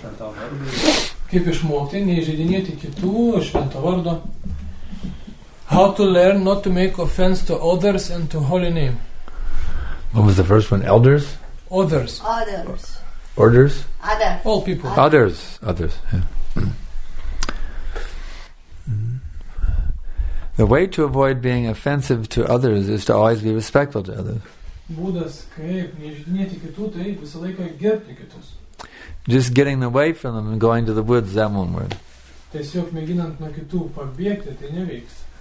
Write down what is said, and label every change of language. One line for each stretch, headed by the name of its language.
Lithuanian: Kaip išmokti neįžeidinėti kitų švento vardo?
English: How to learn not to make offense to others and to holy name. What was the first one? Elders? Others. Others. Orders? Others. All people. Others. Others. Yeah. The way to avoid being offensive to others is to always be respectful to others.
Lithuanian: Būdas kaip neįžeidinėti kitų, tai visą laiką gerbti kitus.
English: Just getting away from them and going to the woods, that one word.
Lithuanian: Tiesiog mėginant nuo kitų pabėgti, tai neveiks.